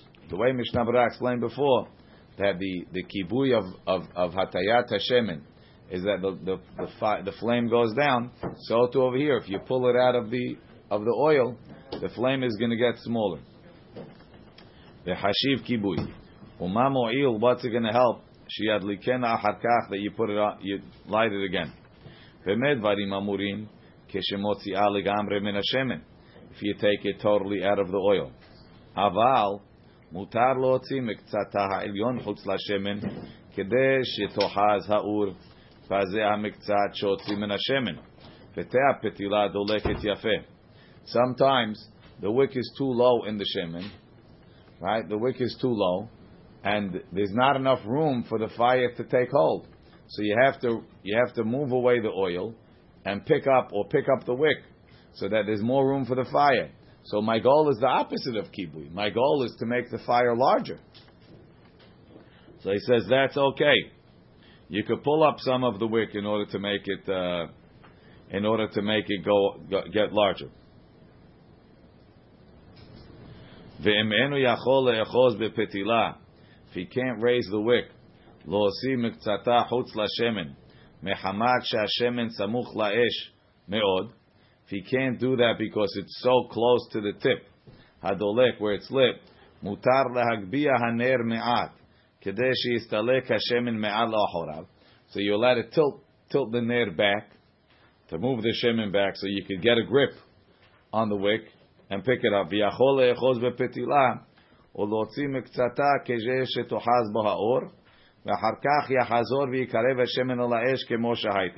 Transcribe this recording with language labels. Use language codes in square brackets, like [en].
[en] The way Mishnabra explained before, that the kibuy of Hatayat Hashemin is that the flame goes down. So too over here, if you pull it out of the oil, the flame is going to get smaller. The hashiv kibui, umam oil, what's it going to help? [he] שידליקן אחר כך, [en] you light it again. [he] באמת דברים אמורים, כשמוציאה לגמרי מן השמן, [en] if you take it totally out of the oil. [he] אבל, מותר להוציא מקצתה העליון חוץ לשמן, כדי שתוחז האור, וזה המקצת שהוציא מן השמן. ותה הפתילה דולקת יפה. [en] Sometimes, the wick is too low in the shemen, right? The wick is too low, and there's not enough room for the fire to take hold. So you have to move away the oil and pick up the wick so that there's more room for the fire. So my goal is the opposite of kibui. My goal is to make the fire larger. So he says, that's okay. You could pull up some of the wick in order to make it get larger. [he] ואם אינו יכול לאחוז בפתילה, [en] if he can't raise the wick, [he] להוסיף מקצתה חוץ לשמן, מחמת שהשמן סמוך לאש מאוד, [en] if he can't do that because it's so close to the tip, [he] הדולק [en] where it's lit, [he] מותר להגביה הנר מעט, כדי שיסתלק השמן מעל לאחוריו. [en] So you let it tilt the nair back, to move the shemen back, so you can get a grip on the wick, and pick it up. [he] ויכול לאחוז בפתילה, ולהוציא מקצתה כזה שתוחז בו האור, ואחר כך יחזור ויקרב השמן על האש כמו שהיית.